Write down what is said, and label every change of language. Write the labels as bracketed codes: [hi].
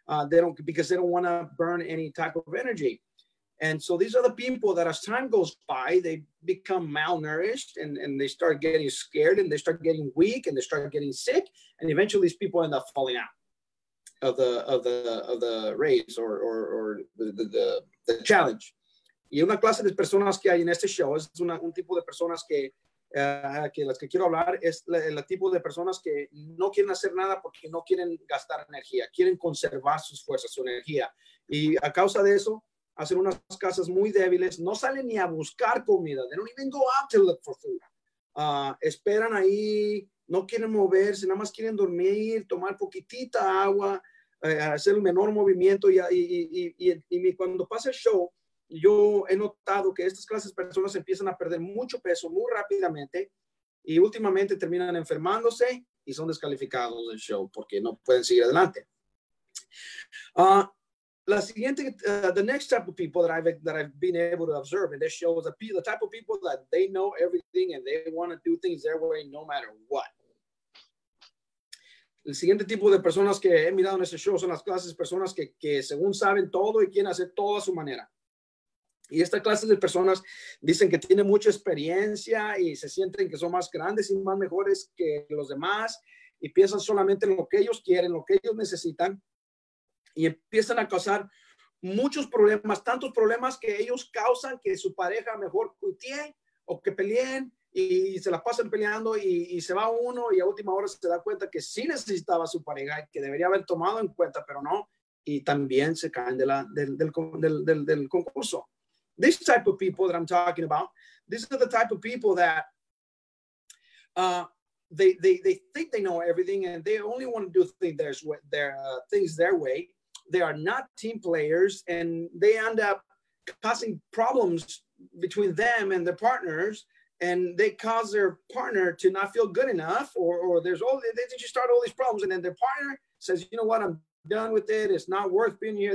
[en] They don't want to burn any type of energy. And so these are the people that, as time goes by, they become malnourished and they start getting scared and they start getting weak and they start getting sick. And eventually these people end up falling out of the race or the challenge. [es] Y una clase de personas que hay en este show es un tipo de personas que las que quiero hablar es el tipo de personas que no quieren hacer nada porque no quieren gastar energía, quieren conservar sus fuerzas, su energía, y a causa de eso hacen unas casas muy débiles, no salen ni a buscar comida, [en] they don't even go out to look for food, [es] esperan ahí, no quieren moverse, nada más quieren dormir, tomar poquitita agua, hacer el menor movimiento, y cuando pasa el show, yo he notado que estas clases de personas empiezan a perder mucho peso muy rápidamente, y últimamente terminan enfermándose y son descalificados del show porque no pueden seguir adelante. La siguiente, [en] the next type of people that I've been able to observe in this show is the type of people that they know everything and they want to do things their way no matter what. [es] El siguiente tipo de personas que he mirado en este show son las clases de personas que según saben todo y quieren hacer todo a su manera. Y esta clase de personas dicen que tienen mucha experiencia y se sienten que son más grandes y más mejores que los demás y piensan solamente en lo que ellos quieren, lo que ellos necesitan. Y empiezan a causar muchos problemas, tantos problemas que ellos causan que su pareja mejor cuitee o que peleen y se la pasan peleando y se va uno y a última hora se da cuenta que sí necesitaba a su pareja y que debería haber tomado en cuenta, pero no. Y también se caen del concurso. [en] This type of people that I'm talking about, these are the type of people that they think they know everything and they only want to do things their way. They are not team players and they end up causing problems between them and their partners and they cause their partner to not feel good enough or there's all, they just start all these problems and then their partner says, you know what, I'm done with it. It's not worth being here.